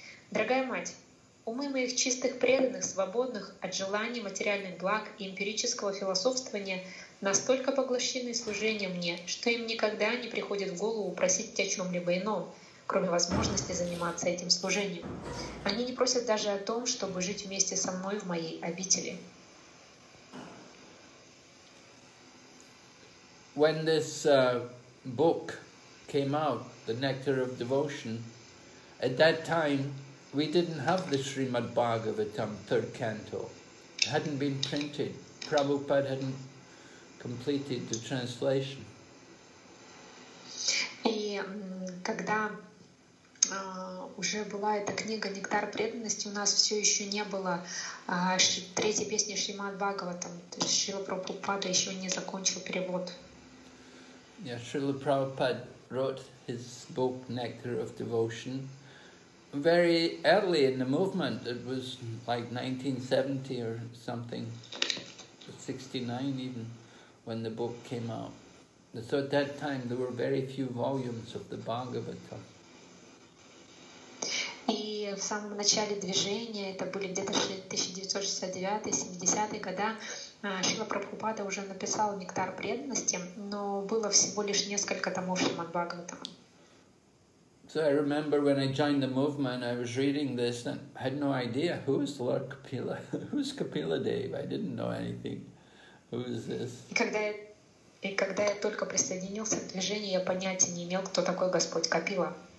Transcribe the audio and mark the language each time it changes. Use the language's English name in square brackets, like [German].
[Russian] Дорогая мать, умы моих чистых преданных, свободных от желаний, материальных благ и эмпирического философствования, настолько поглощены служением мне, что им никогда не приходит в голову просить о чем-либо ином, кроме возможности заниматься этим служением. Они не просят даже о том, чтобы жить вместе со мной в моей обители. [English] When this book came out, The Nectar of Devotion, at that time, we didn't have the Srimad Bhagavatam, third canto. It hadn't been printed. Prabhupada hadn't completed the translation. [Russian] И когда уже была эта книга «Нектар преданности», у нас все еще не было третьей песни Шримад Бхагаватам. То есть Шрила Прабхупада еще не закончил перевод. [English] Yeah, Шрила Прабхупада wrote his book «Nectar of Devotion» very early in the movement. It was like 1970 or something, 69 even, when the book came out. So at that time there were very few volumes of the Bhagavatam. [Russian] И в самом начале движения, это были где-то 1969-70-е годы, Шрила Прабхупада уже написал «Нектар преданности», но было всего лишь несколько томов Шримад Бхагаватам. [English] So I remember when I joined the movement, I was reading this and I had no idea who is Lord Kapila, who's Kapila Dev. I didn't know anything. Who is this? [Russian] И когда я только присоединился к движению, я понятия не имел, кто такой Господь Капила.